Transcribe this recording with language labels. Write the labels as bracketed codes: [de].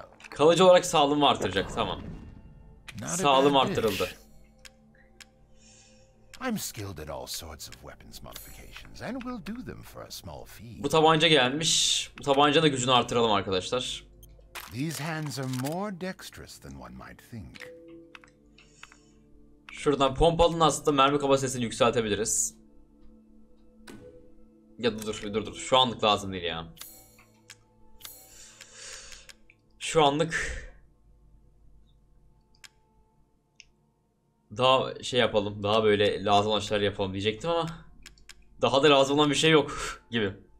[tr] Kalıcı olarak sağlığımı artıracak, tamam. Sağlığım artırıldı. [en] I'm skilled at all sorts of weapons modifications and will do them for a small fee. [tr] Bu tabanca gelmiş. Bu tabancanın da gücünü artıralım arkadaşlar. [en] These hands are more dexterous than one might think. [tr] Şuradan pompalının aslında mermi kapasitesini yükseltebiliriz. Ya dur. Şu anlık lazım değil ya. Şu anlık daha şey yapalım, daha böyle lazım olan şeyler yapalım diyecektim ama daha da lazım olan bir şey yok gibi.